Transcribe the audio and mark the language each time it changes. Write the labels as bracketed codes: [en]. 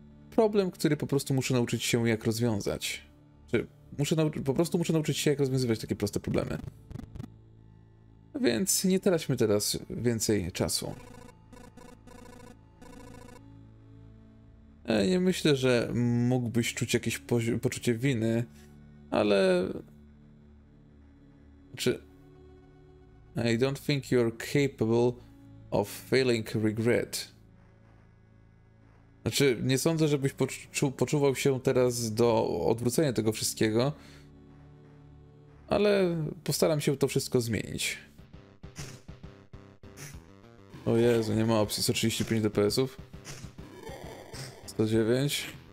[pl] Problem, który po prostu muszę nauczyć się, jak rozwiązać. Muszę nauczyć się, jak rozwiązywać takie proste problemy. Więc nie traćmy teraz więcej czasu. Nie myślę, że mógłbyś czuć jakieś poczucie winy, ale... [en] I don't think you're capable of feeling regret. [pl] Znaczy, nie sądzę, żebyś poczuwał się teraz do odwrócenia tego wszystkiego, ale postaram się to wszystko zmienić. O Jezu, nie ma opcji, 135 DPS-ów. 109.